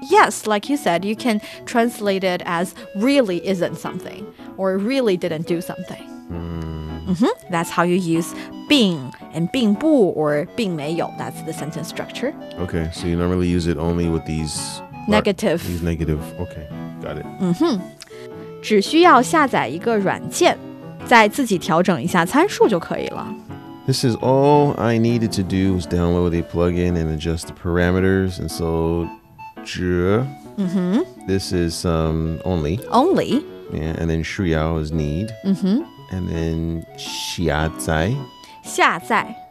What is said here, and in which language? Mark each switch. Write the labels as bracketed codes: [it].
[en] Yes, like you said, you can translate it as really isn't something or really didn't do something. That's how you use 并 and 并不 or 并没有. That's the sentence structure. Okay, so you normally use it only with these... Negative. These negative. Okay, got it. [zh] 只需要下载一个软件, 再自己调整一下参数就可以了. [en] This is all I needed to do was download a plugin and adjust the parameters. And so, 只, this is only. Only. Yeah, and then 需要 is need. And then 下载. [zh] 下载.